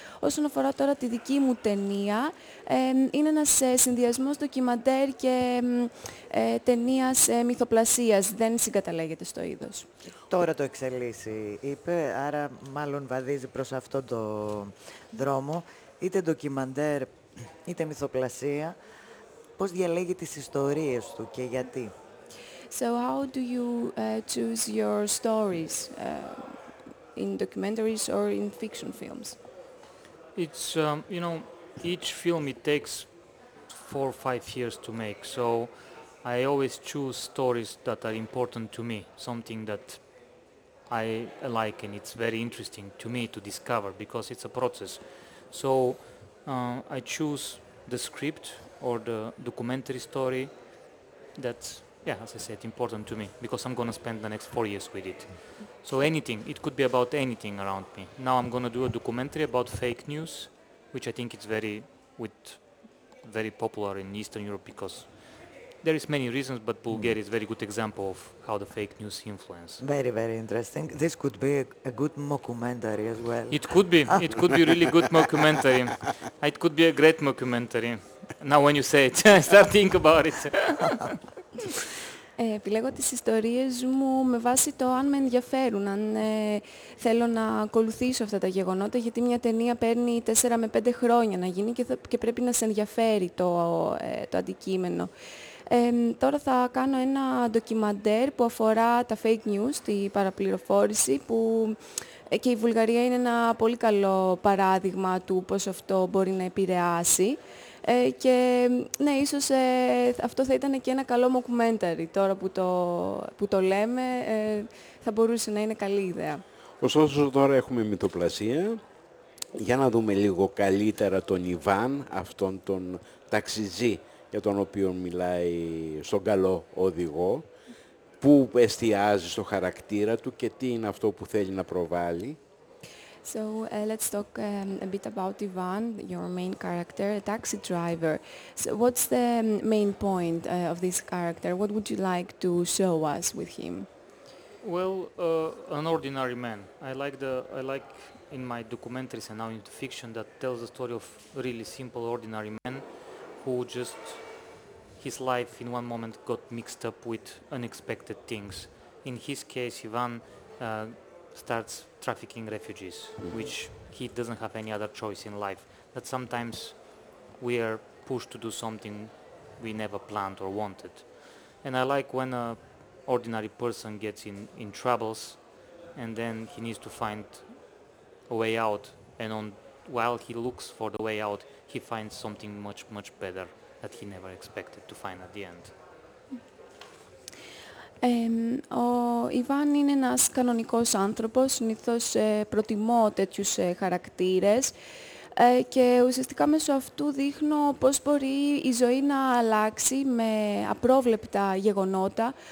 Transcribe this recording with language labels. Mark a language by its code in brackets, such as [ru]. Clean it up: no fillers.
[el] Όσον αφορά τώρα τη δική μου ταινία, είναι ένας συνδυασμός ντοκιμαντέρ και ταινίας μυθοπλασίας. Δεν συγκαταλέγεται στο είδος. Τώρα το εξελίσσει, είπε, άρα μάλλον βαδίζει προς αυτόν τον δρόμο. Είτε ντοκιμαντέρ, είτε μυθοπλασία. Πώς διαλέγει τις ιστορίες του και γιατί? [en] So how do you choose your stories in documentaries or in fiction films? It's, you know, each film it takes 4 or 5 years to make. So I always choose stories that are important to me, something that I like and it's very interesting to me to discover because it's a process. So I choose the script or the documentary story that's, yeah, as I said, important to me because I'm going to spend the next 4 years with it. So anything, it could be about anything around me. Now I'm going to do a documentary about fake news, which I think it's very popular in Eastern Europe because there is many reasons, but Bulgaria is a very good example of how the fake news influence. Very, very interesting. This could be a good mockumentary as well. It could be. It could be a really good mockumentary. It could be a great mockumentary. Now when you say it, I start thinking about it. [el] Επιλέγω τις ιστορίες μου με βάση το αν με ενδιαφέρουν, αν θέλω να ακολουθήσω αυτά τα γεγονότα, γιατί μια ταινία παίρνει 4 με 5 χρόνια να γίνει και πρέπει να σε ενδιαφέρει το αντικείμενο. Τώρα θα κάνω ένα ντοκιμαντέρ που αφορά τα fake news, την παραπληροφόρηση, που και η Βουλγαρία είναι ένα πολύ καλό παράδειγμα του πώς αυτό μπορεί να επηρεάσει. Και ναι, ίσως αυτό θα ήταν και ένα καλό μοκουμένταρι. Τώρα που το λέμε, θα μπορούσε να είναι καλή ιδέα. Ωστόσο, τώρα έχουμε μυθοπλασία. Για να δούμε λίγο καλύτερα τον Ιβάν, αυτόν τον ταξιτζή για τον οποίο μιλάει στον καλό οδηγό. Πού εστιάζει στο χαρακτήρα του και τι είναι αυτό που θέλει να προβάλλει. [en] So let's talk a bit about Ivan, your main character, a taxi driver. So what's the main point of this character? What would you like to show us with him? Well, an ordinary man. I like in my documentaries and now in fiction that tells the story of really simple ordinary man who just his life in one moment got mixed up with unexpected things. In his case, Ivan starts trafficking refugees, mm-hmm. which he doesn't have any other choice in life. That sometimes we are pushed to do something we never planned or wanted. And I like when an ordinary person gets in troubles and then he needs to find a way out. And while he looks for the way out, he finds something much, much better that he never expected to find at the end. [el] Ο Ιβάν είναι ένας κανονικός άνθρωπος, συνήθως προτιμώ τέτοιους χαρακτήρες και ουσιαστικά μέσω αυτού δείχνω πώς μπορεί η ζωή να αλλάξει με απρόβλεπτα γεγονότα.